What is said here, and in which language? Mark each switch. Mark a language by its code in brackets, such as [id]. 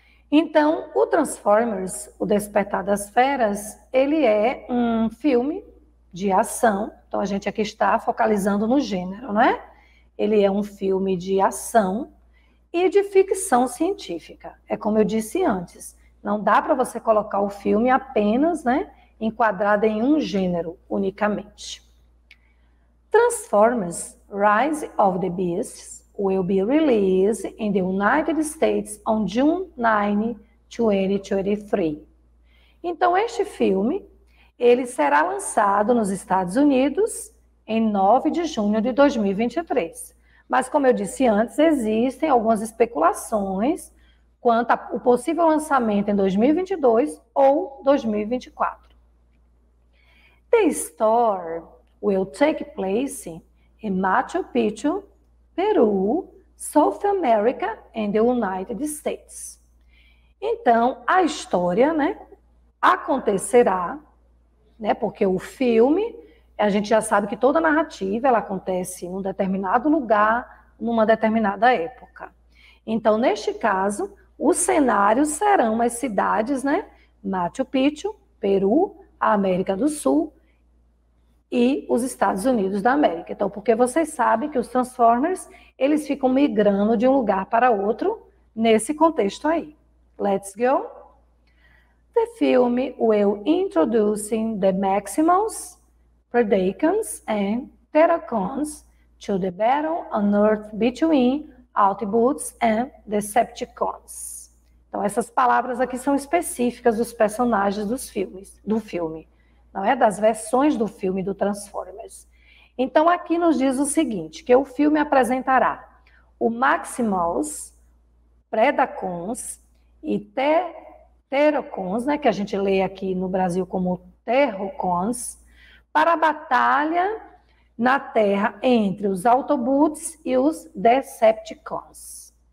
[pt] Então, o Transformers, O Despertar das Feras, ele é um filme de ação, então a gente aqui está focalizando no gênero, né? Ele é um filme de ação e de ficção científica. É como eu disse antes, não dá para você colocar o filme apenas, né, enquadrado em um gênero unicamente. [en] Transformers Rise of the Beasts will be released in the United States on June 9, 2023. [pt] Então este filme, ele será lançado nos Estados Unidos em 9 de junho de 2023. Mas, como eu disse antes, existem algumas especulações quanto ao possível lançamento em 2022 ou 2024. [en] The story will take place in Machu Picchu, Peru, South America and the United States. [pt] Então, a história, né, acontecerá, né, porque o filme... A gente já sabe que toda narrativa ela acontece em um determinado lugar, numa determinada época. Então, neste caso, os cenários serão as cidades, né? Machu Picchu, Peru, a América do Sul e os Estados Unidos da América. Então, porque vocês sabem que os Transformers, eles ficam migrando de um lugar para outro nesse contexto aí. [en] Let's go. The film will introduce the Maximals, Predacons and Terracons to the battle on Earth between Autobots and Decepticons. [pt] Então essas palavras aqui são específicas dos personagens dos filmes, do filme, não é? Das versões do filme do Transformers. Então aqui nos diz o seguinte, que o filme apresentará o Maximals, Predacons e Terracons, né, que a gente lê aqui no Brasil como Terracons, para a batalha na Terra entre os Autobots e os Decepticons.